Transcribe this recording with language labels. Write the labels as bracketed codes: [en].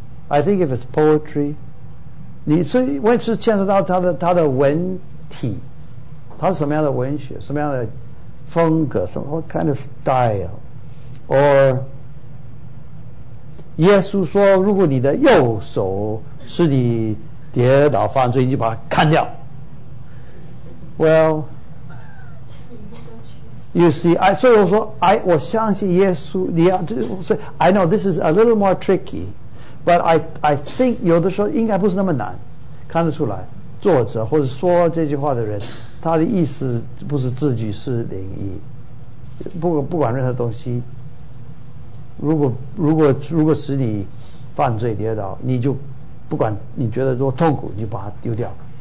[en] I think if it's poetry， [zh] 你所以我也是牵涉到他的文体，他是什么样的文学，什么样的风格，什么 [en] what kind of style， or [zh] 耶稣说，如果你的右手是你跌倒犯罪，你就把它砍掉。 [en] Well， you see， [zh] 所以我说 我相信耶稣，你要就是 [en] I know this is a little more tricky。 But I think [zh] 有的时候应该不是那么难，看得出来，作者或者说这句话的人，他的意思不是字句，是灵异。不管任何东西，如果使你犯罪跌倒，你就不管你觉得多痛苦，你就把它丢掉。